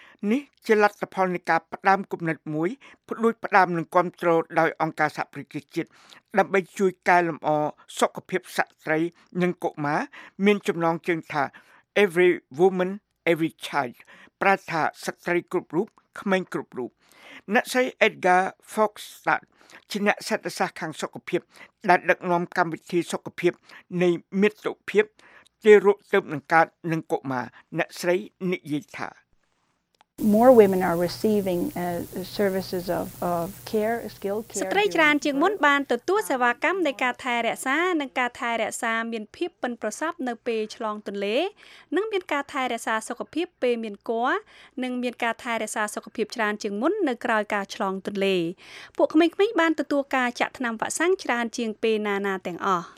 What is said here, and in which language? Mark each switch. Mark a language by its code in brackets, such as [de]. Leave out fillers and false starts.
[km] នេះជាលទ្ធផលនៃការផ្ដើមគំនិតមួយផ្ដួចផ្ដើមនិងគ្រប់គ្រងដោយអង្គការសហប្រជាជាតិដើម្បីជួយកែលម្អសុខភាពស្ត្រីនិងកុមារមានចំណងជើងថា [en] Every Woman Every Child [km] ប្រថាស្ត្រីគ្រប់រូបក្មេងគ្រប់រូបអ្នកស្រី Edgar Fox ជាអ្នកសេដ្ឋសាស្ត្រខាងសុខភាពដែលដឹកនាំកម្មវិធីសុខភាពនៃមាតុភាពជារូបទៅនឹងកើតនឹងកុមារអ្នកស្រីនិយាយថា [en] More women are receiving services of care, skilled care. [km] ស្ត្រីច្រើនជាងមុនបានទទួលសេវាកម្មនៃការថែរក្សានិងការថែរក្សាមានភាពប៉ិនប្រសប់នៅពេលឆ្លងទន្លេនិងមានការថែរក្សាសុខភាពពេលមានគភ៌និងមានការថែរក្សាសុខភាពច្រើនជាងមុននៅក្រោយការឆ្លងទន្លេពួកក្មេងៗបានទទួលការចាក់ថ្នាំវ៉ាក់សាំងច្រើនជាងពេលណាណាទាំងអស